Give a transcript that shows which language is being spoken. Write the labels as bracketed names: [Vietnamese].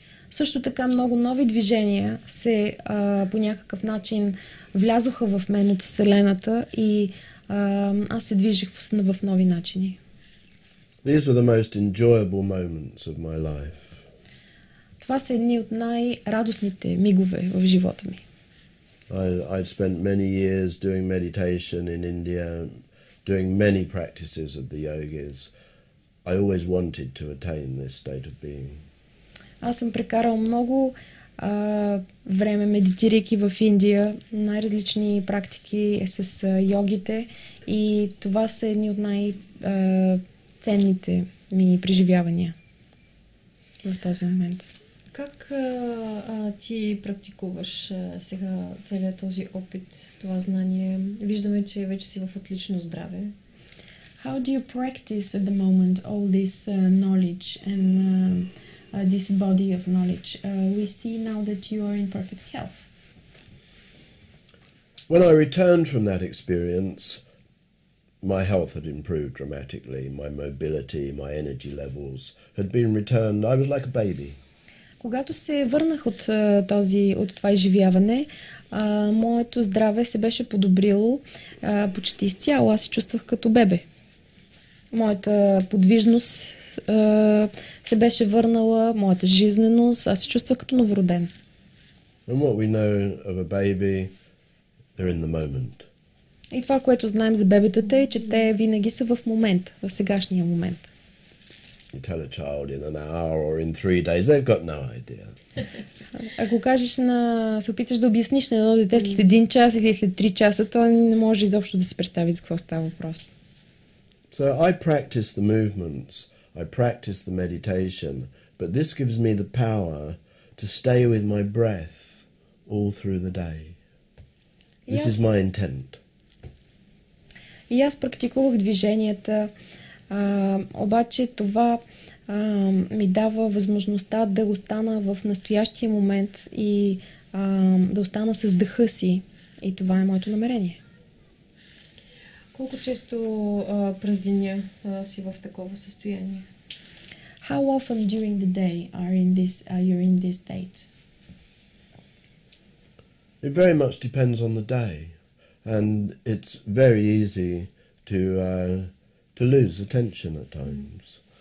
[Bulgarian] Също така много нови движения се по някакъв начин влязоха в мен от Вселената и аз се движих в нови начини. [English] These were the most enjoyable moments of my life. [Bulgarian] Това са едни от най-радостните мигове в живота ми. [English] I've spent many years doing meditation in India, doing many practices of the yogis. I always wanted to attain this state of being. [Bulgarian] Аз съм прекарал много време медитирайки в Индия, най-различни практики с йогите и това са едни от най-ценните ми преживявания в този момент. Как ти практикуваш сега целият този опит, това знание? Виждаме, че вече си в отлично здраве. [English] How do you practice at the moment all this knowledge and this body of knowledge? We see now that you are in perfect health. When I returned from that experience, my health had improved dramatically. My mobility, my energy levels had been returned. I was like a baby. [Bulgarian] Когато се върнах от този, от това изживяване, моето здраве се беше подобрило почти изцяло. Аз се чувствах като бебе. Моята подвижност се беше върнала, моята жизненост, аз се чувствах като новороден. [English] And what we know of a baby, they're in the moment. [Bulgarian] И това, което знаем за бебетата, е, че те винаги са в момент, в сегашния момент. [English] You tell a child in an hour or in three days, they've got no idea. [Bulgarian] Ако кажеш на, се опиташ да обясниш на едно дете след един час или след три часа, то не може изобщо да се представи за какво става въпрос. [English] So I practice the movements, I practice the meditation, but this gives me the power to stay with my breath all through the day. This is my intent. [Bulgarian] И аз практикувах движенията, обаче това ми дава възможността да остана в настоящия момент и да остана с дъха си. И това е моето намерение. Колко често през деня си в такова състояние? [English] How often during the day are in this you're in this state? It very much depends on the day, and it's very easy to lose attention at times.